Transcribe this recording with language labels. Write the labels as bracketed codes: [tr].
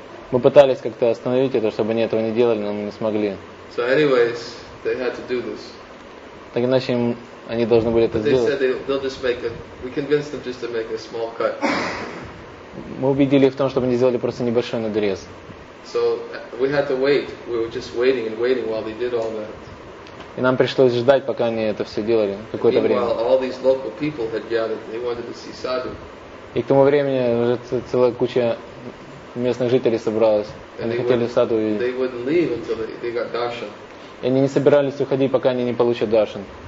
[ru] Мы пытались как-то остановить это, чтобы они этого не делали, но мы не смогли. [en] They had to do this. [ru] Так иначе им, они должны были это сделать. [en] They said they'll just make a. We convinced them just to make a small cut. [ru] Мы убедили их в том, чтобы они сделали просто небольшой надрез. [en] So we had to wait. We were just waiting and waiting while they did all that. [ru] И нам пришлось ждать, пока они это все делали какое-то время. [en] Meanwhile, all these local people had gathered. They wanted to see sadhu. [ru] И к тому времени уже целая куча местных жителей собралась. Они хотели садху увидеть. [en] They wouldn't leave until they got darshan. [ru] И они не собирались уходить, пока они не получат даршан.